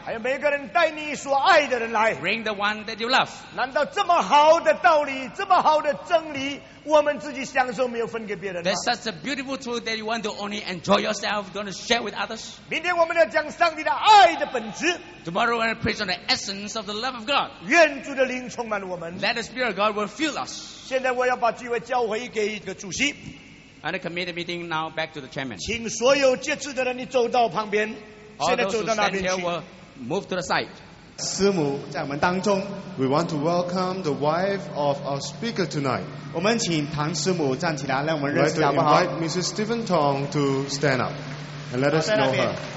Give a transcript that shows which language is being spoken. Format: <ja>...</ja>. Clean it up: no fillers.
<zh>还有每一个人带你所爱的人来。</zh> <en>Bring the one that you love.</en> <zh>难道这么好的道理，这么好的真理，我们自己享受没有分给别人吗？</zh> <en>There's such a beautiful truth that you want to only enjoy yourself, don't share with others.</en> <zh>明天我们要讲上帝的爱的本质。</zh> <en>Tomorrow we're going to preach on the essence of the love of God.</en> <zh>愿主的灵充满我们。</zh> <en>Let the Spirit of God will fill us.</en> <zh>现在我要把机会交回给一个主席。</zh> <en>And commit the meeting now back to the chairman.</en> <zh>请所有接旨的人，你走到旁边，现在走到那边去。</zh> <en>All those who stand here will move to the side.</en> <zh>师母在我们当中。</zh> <en>We want to welcome the wife of our speaker tonight.</en> <zh>我们请唐师母站起来，让我们认识好不好</zh> <en>？Invite Mrs. Stephen Tong to stand up and let us know her.</en>